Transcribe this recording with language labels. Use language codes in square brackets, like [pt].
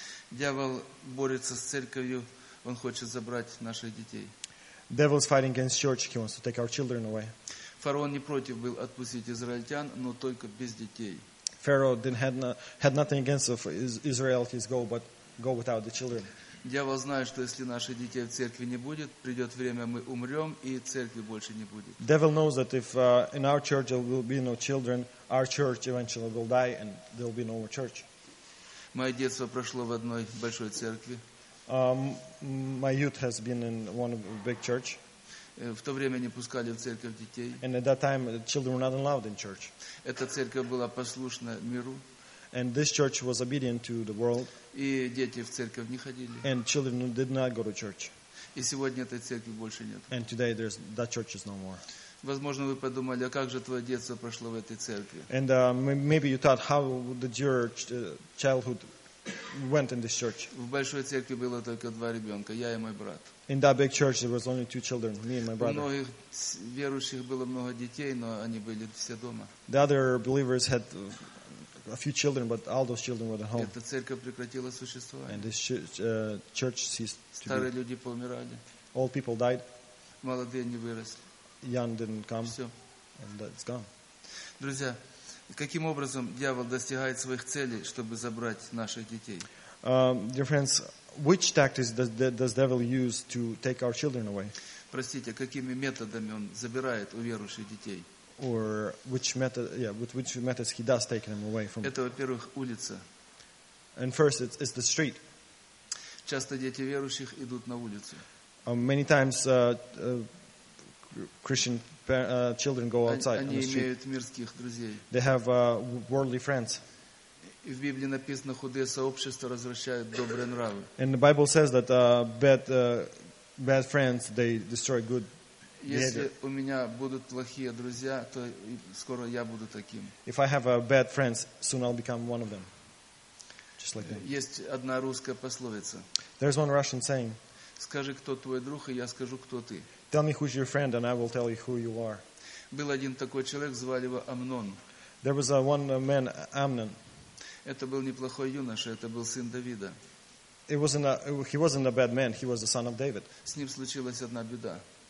[ru] Дьявол борется с церковью, он хочет забрать наших детей. [en] Devil is fighting against church, he wants to take our children away. [ru] Фараон не против был отпустить израильтян, но только без детей. [en] Pharaoh had nothing against the Israelites go without the children. [ru] Дьявол знает, что если наших детей в церкви не будет, придет время, мы умрем, и церкви больше не будет. [en] Devil knows that if in our church there will be no children, our church eventually will die and there will be no more church. [ru] Мое детство прошло в одной большой церкви. [en] My youth has been in one big church. [ru] В то время не пускали в церковь детей. [en] And at that time, children were not allowed in church. [ru] Эта церковь была послушна миру. [en] And this church was obedient to the world. [ru] И дети в церковь не ходили. [en] And children did not go to church. [ru] И сегодня этой церкви больше нет. [en] And today that church is no more. [ru] Возможно, вы подумали, а как же твое детство прошло в этой церкви? [en] And maybe you thought, how did your childhood went in this church? [ru] В большой церкви было только два ребенка, я и мой брат. [en] In that big church, there was only two children, me and my brother. [ru] У многих верующих было много детей, но они были все дома. [en] The other believers had a few children, but all those children were at home. [ru] Эта церковь прекратила существование. [en] And this church ceased to be. [ru] Старые люди поумирали. [en] Old people died. [ru] Молодые не выросли. [en] Young didn't come. [ru] Все. [en] And it's gone. [ru] Друзья, каким образом дьявол достигает своих целей, чтобы забрать наших детей? [en] Dear friends, which tactics does the devil use to take our children away? [ru] Простите, какими методами он забирает у верующих детей? [en] Or which method? Yeah, with which methods he does take them away from? [ru] Это, во-первых, улица. [en] And first, it's the street. [ru] Часто дети верующих идут на улицу. [en] Many times, Christian children go outside on the street. [ru] Они имеют мирских друзей. [en] They have worldly friends. [ru] И в Библии написано, худые сообщества развращают добрые нравы. [en] And the Bible says that bad friends they destroy good. [ru] Если у меня будут плохие друзья, то скоро я буду таким. [en] If I have bad friends, soon I'll become one of them, just like them. [ru] Есть одна русская пословица. [en] There's one Russian saying. [ru] Скажи, кто твой друг, и я скажу, кто ты. [en] Tell me who's your friend, and I will tell you who you are. [ru] Был один такой человек, звали его Амнон. [en] There was one man, Amnon. [ru] Это был неплохой юноша, это был сын Давида. [en] He wasn't a bad man. He was the son of David. [ru] С ним случилась одна беда.